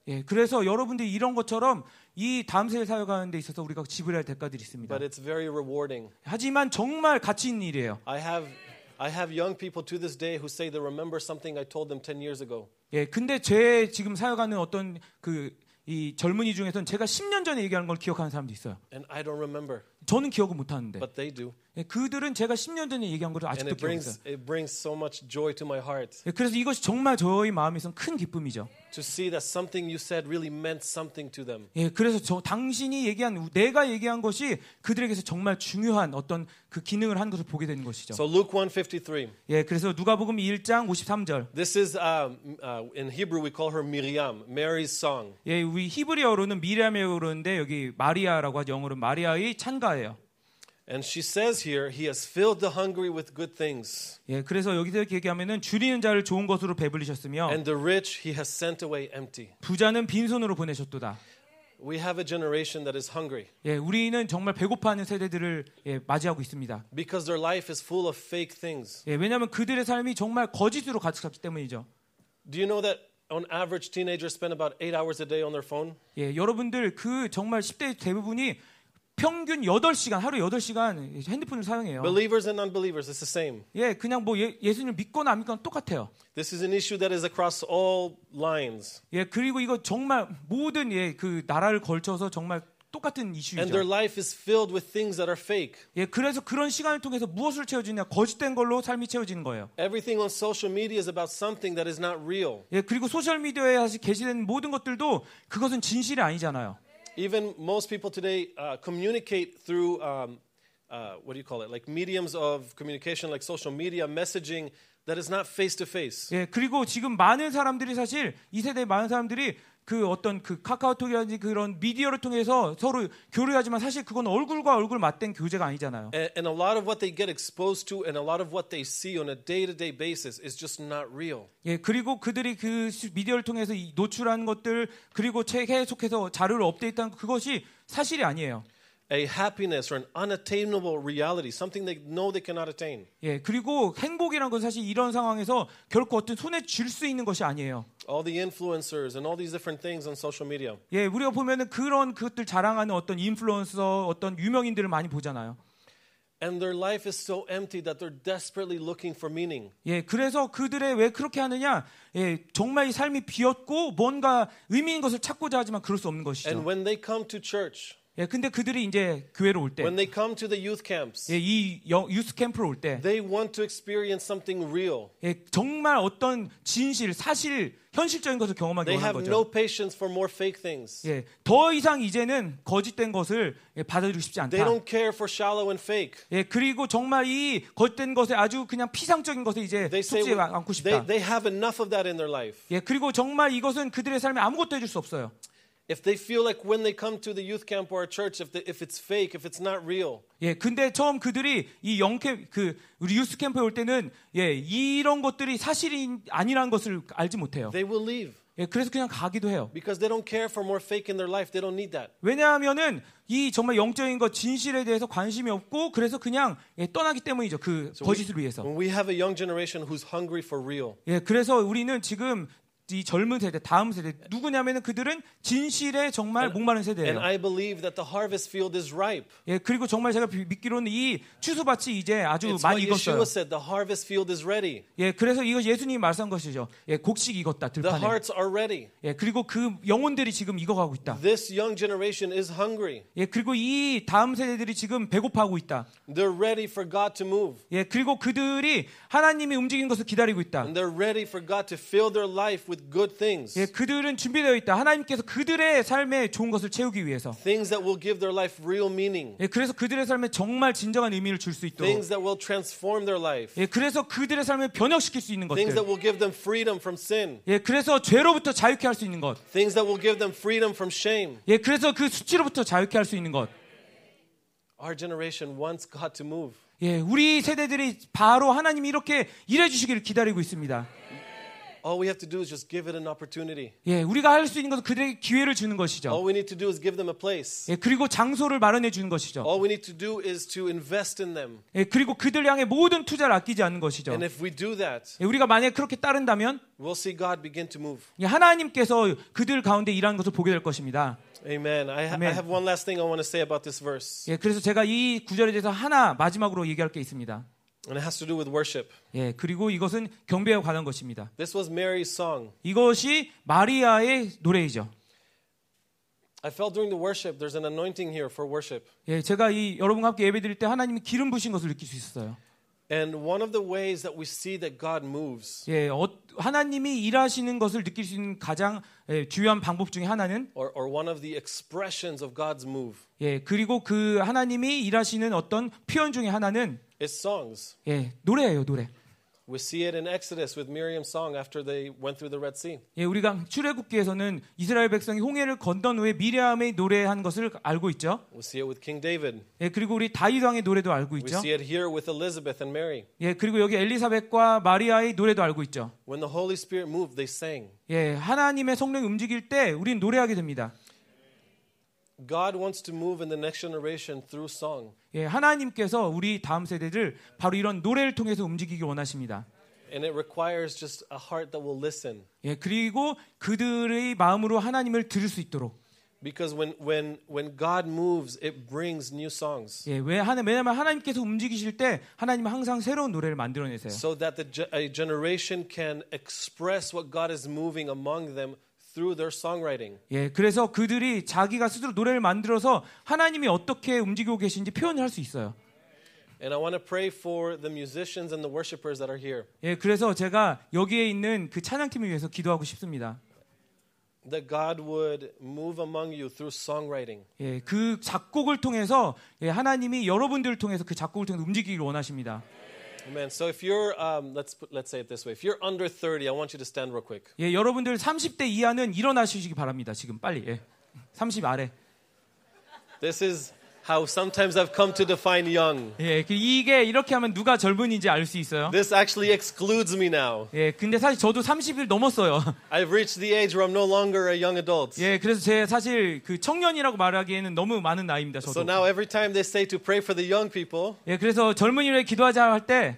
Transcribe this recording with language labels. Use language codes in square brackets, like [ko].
[ko] 예, 그래서 여러분들이 이런 것처럼 이 다음 세대 사역하는 데 있어서 우리가 지불해야 할 대가들이 있습니다. [en] But it's very rewarding. [ko] 하지만 정말 가치 있는 일이에요. [en] I have young people to this day who say they remember something I told them 10 years ago. [ko] 예, 근데 제 지금 사역하는 어떤 그 이 젊은이 중에서는 제가 10년 전에 얘기한 걸 기억하는 사람도 있어요. [en] And I don't remember. [ko] 저는 기억을 못 하는데. [en] But they do. [ko] 예, 그들은 제가 10년 전에 얘기한 걸 아직도 기억해요. [en] It brings so much joy to my heart. [ko] 예, 그래서 이것이 정말 저희 마음에선 큰 기쁨이죠. [en] To see that something you said really meant something to them. [ko] 예, 그래서 당신이 얘기한 내가 얘기한 것이 그들에게서 정말 중요한 어떤 그 기능을 한 것을 보게 되는 것이죠. [en] So Luke 1:53. [ko] 예, 그래서 누가복음 1장 53절. [en] This is in Hebrew we call her Miriam, Mary's song. [ko] 예, 우리 히브리어로는 미리암이라고 그러는데 여기 마리아라고 하죠. 영어로 마리아의 찬가예요. [en] And she says here, He has filled the hungry with good things. [ko] 예, 그래서 여기서 이렇게 얘기하면은 줄이는 자를 좋은 것으로 배불리셨으며, [en] and the rich He has sent away empty. [ko] 부자는 빈손으로 보내셨도다. [en] We have a generation that is hungry. [ko] 예, 우리는 정말 배고파하는 세대들을 예, 맞이하고 있습니다. [en] Because their life is full of fake things. [ko] 예, 왜냐하면 그들의 삶이 정말 거짓으로 가득하기 때문이죠. [en] Do you know that? On average, teenagers spend about 8 hours a day on their phone. [ko] 예, 여러분들 그 정말 10대 대부분이 평균 8시간 하루 8시간 핸드폰을 사용해요. [en] Believers and unbelievers, it's the same. [ko] 예, 그냥 뭐 예수님 믿거나 안 믿거나 똑같아요. [en] This is an issue that is across all lines. [ko] 예, 그리고 이거 정말 모든 예 그 나라를 걸쳐서 정말 똑같은 이슈이죠. [en] And their life is filled with things that are fake. [ko] 예, 그래서 그런 시간을 통해서 무엇을 채워주냐? 거짓된 걸로 삶이 채워지는 거예요. [en] Everything on social media is about something that is not real. [ko] 예, 그리고 소셜 미디어에 게시된 모든 것들도 그것은 진실이 아니잖아요. [en] Even most people today communicate through what do you call it? Like mediums of communication like social media messaging that is not face to face. [ko] 예, 그리고 지금 많은 사람들이 사실 이 세대 많은 사람들이 그 어떤 그 카카오톡이라든지 그런 미디어를 통해서 서로 교류하지만 사실 그건 얼굴과 얼굴 맞댄 교제가 아니잖아요. [en] And a lot of what they get exposed to and a lot of what they see on a day-to-day basis is just not real. [ko] 예, 그리고 그들이 그 미디어를 통해서 노출한 것들 그리고 계속해서 자료를 업데이트한 그것이 사실이 아니에요. [en] A happiness or an unattainable reality, something they know they cannot attain. [ko] 예, 그리고 행복이란 건 사실 이런 상황에서 결코 어떤 손에 쥘 수 있는 것이 아니에요. [en] All the influencers and all these different things on social media. [ko] 예, 우리가 보면은 그런 그것들 자랑하는 어떤 인플루언서, 어떤 유명인들을 많이 보잖아요. [en] And their life is so empty that they're desperately looking for meaning. [ko] 예, 그래서 그들의 왜 그렇게 하느냐? 예, 정말 이 삶이 비었고 뭔가 의미 있는 것을 찾고자 하지만 그럴 수 없는 것이죠. [en] And when they come to church. [ko] 예, 근데 그들이 이제 교회로 올 때, [en] when they come to the youth camps, [ko] 예, 이 유스 캠프로 올 때, [en] they want to experience something real. [ko] 예, 정말 어떤 진실, 사실, 현실적인 것을 경험하기 [en] they [ko] 원하는 거죠. [en] They have no patience for more fake things. [ko] 예, 더 이상 이제는 거짓된 것을 예, 받아들이고 싶지 않다. [en] They don't care for shallow and fake. [ko] 예, 그리고 정말 이 거짓된 것에 아주 그냥 피상적인 것에 이제 속지 않고 싶다. [en] They have enough of that in their life. [ko] 예, 그리고 정말 이것은 그들의 삶에 아무것도 해줄 수 없어요. [en] If they feel like when they come to the youth camp or a church, if it's fake, if it's not real. [ko] 예, 근데 처음 그들이 이 영캠 그 우리 유스 캠프에 올 때는 예 이런 것들이 사실이 아니란 것을 알지 못해요. [en] They will leave. [ko] 예, 그래서 그냥 가기도 해요. [en] Because they don't care for more fake in their life. They don't need that. [ko] 왜냐하면은 이 정말 영적인 것 진실에 대해서 관심이 없고 그래서 그냥 예, 떠나기 때문이죠. 그 거짓을 위해서. [en] We have a young generation who's hungry for real. [ko] 예, 그래서 우리는 지금 이 젊은 세대, 다음 세대 누구냐면은 그들은 진실에 정말 목마른 세대예요. [en] And I believe that the harvest field is ripe. [ko] 예, 그리고 정말 제가 믿기로는 이 추수밭이 이제 아주 [en] It's [ko] 많이 익었어요. [en] Yeshua said the harvest field is ready. [ko] 예, 그래서 이거 예수님이 말씀한 것이죠. 예, 곡식 익었다 들판에. [en] The hearts are ready. [ko] 예, 그리고 그 영혼들이 지금 익어가고 있다. [en] This young generation is hungry. [ko] 예, 그리고 이 다음 세대들이 지금 배고파하고 있다. [en] They're ready for God to move. [ko] 예, 그리고 그들이 하나님이 움직인 것을 기다리고 있다. [en] And they're ready for God to fill their life with good things. [ko] 예, 그들은 준비되어 있다. 하나님께서 그들의 삶에 좋은 것을 채우기 위해서. [en] Things that will give their life real meaning. [ko] 예, 그래서 그들의 삶에 정말 진정한 의미를 줄 수 있도록. [en] Things that will transform their life. [ko] 예, 그래서 그들의 삶을 변혁시킬 수 있는 것들. [en] Things that will give them freedom from sin. [ko] 예, 그래서 죄로부터 자유케 할 수 있는 것. [en] Things that will give them freedom from shame. [ko] 예, 그래서 그 수치로부터 자유케 할 수 있는 것. [en] Our generation wants God to move. [ko] 예, 우리 세대들이 바로 하나님이 이렇게 일해 주시기를 기다리고 있습니다. [en] All we have to do is just give it an opportunity. [ko] 예, 우리가 할 수 있는 것은 그들에게 기회를 주는 것이죠. [en] All we need to do is give them a place. [ko] 예, 그리고 장소를 마련해 주는 것이죠. [en] All we need to do is to invest in them. [ko] 예, 그리고 그들 향해 모든 투자를 아끼지 않는 것이죠. [en] And if we do that, [ko] 예, 우리가 만약 그렇게 따른다면, [en] we'll see God begin to move. [ko] 예, 하나님께서 그들 가운데 일하는 것을 보게 될 것입니다. [en] Amen. Amen. I have one last thing I want to say about this verse. [ko] 예, 그래서 제가 이 구절에 대해서 하나 마지막으로 얘기할 게 있습니다. [en] And it has to do with worship. [ko] 예, 그리고 이것은 경배와 관한 것입니다. [en] This was Mary's song. [ko] 이것이 마리아의 노래이죠. [en] I felt during the worship there's an anointing here for worship. [ko] 예, 제가 이 여러분과 함께 예배드릴 때 하나님이 기름 부신 것을 느낄 수 있었어요. [en] And one of the ways that we see that God moves. [ko] 예, 하나님이 일하시는 것을 느낄 수 있는 가장 예, 중요한 방법 중에 하나는 [en] or one of the expressions of God's move. [ko] 예, 그리고 그 하나님이 일하시는 어떤 표현 중에 하나는 [en] It's songs. [ko] 예, 노래예요, 노래. [en] We see it in Exodus with Miriam's song after they went through the Red Sea. [ko] 예, 우리가 출애굽기에서는 이스라엘 백성이 홍해를 건넌 후에 미리암의 노래한 것을 알고 있죠. [en] We see it with King David. [ko] 예, 그리고 우리 다윗 왕의 노래도 알고 있죠. [en] We see it here with Elizabeth and Mary. [ko] 예, 그리고 여기 엘리사벳과 마리아의 노래도 알고 있죠. [en] When the Holy Spirit moved, they sang. [ko] 예, 하나님의 성령이 움직일 때 우린 노래하게 됩니다. [en] God wants to move in the next generation through song. [ko] 예, 하나님께서 우리 다음 세대들 바로 이런 노래를 통해서 움직이기 원하십니다. [en] And it requires just a heart that will listen. [ko] 예, 그리고 그들의 마음으로 하나님을 들을 수 있도록. [en] Because when God moves, it brings new songs. [ko] 예, 왜냐하면 하나님께서 움직이실 때 하나님은 항상 새로운 노래를 만들어내세요. [en] So that a generation can express what God is moving among them. Through their songwriting. [ko] 예, 그래서 그들이 자기가 스스로 노래를 만들어서 하나님이 어떻게 움직이고 계신지 표현할 수 있어요. [en] And I want to pray for the musicians and the worshipers that are here. [ko] 예, 그래서 제가 여기에 있는 그 찬양팀을 위해서 기도하고 싶습니다. [en] That God would move among you through songwriting. [ko] 예, 그 작곡을 통해서 예, 하나님이 여러분들을 통해서 그 작곡을 통해서 움직이기를 원하십니다. [en] Amen. So if you're let's say it this way. If you're under 30, I want you to stand real quick. [ko] 예, 여러분들 30대 이하는 일어나시기 바랍니다. 지금 빨리. 예. 30 아래. [en] This is how sometimes I've come to define young. [ko] 예, 이게 이렇게 하면 누가 젊은인지 알 수 있어요. [en] This actually excludes me now. [ko] 예, 근데 사실 저도 30일 넘었어요. [en] I've reached the age where I'm no longer a young adult. [ko] 예, 그래서 제 사실 그 청년이라고 말하기에는 너무 많은 나이입니다, 저도. [en] So now every time they say to pray for the young people. [ko] 예, 그래서 젊은이를 기도하자 할 때